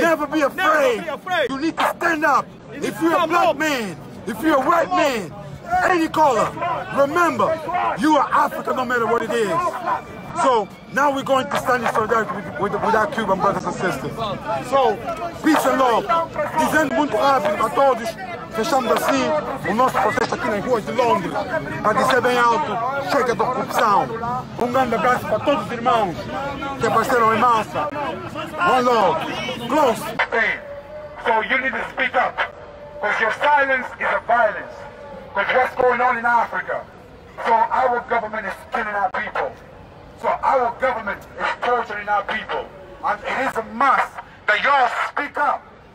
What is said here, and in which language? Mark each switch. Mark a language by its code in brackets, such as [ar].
[en] Never be afraid. Never be afraid. You need to stand up. If you're a black man, if you're a white man, any color, remember, you are African no matter what it is. So now we're going to stand in solidarity with our Cuban brothers and sisters. So peace and love. [pt] Dizendo muito rápido a todos, fechamos assim o nosso protesto aqui nas ruas de Londres. Para dizer bem alto, chega da corrupção. Grande abraço para todos os irmãos que apareceram em massa. [en] One love. Close. So you need to speak up, because your silence is a violence. Because what's going on in Africa? So our government is killing our people. So our government is torturing our people. And it is a must that y'all speak up.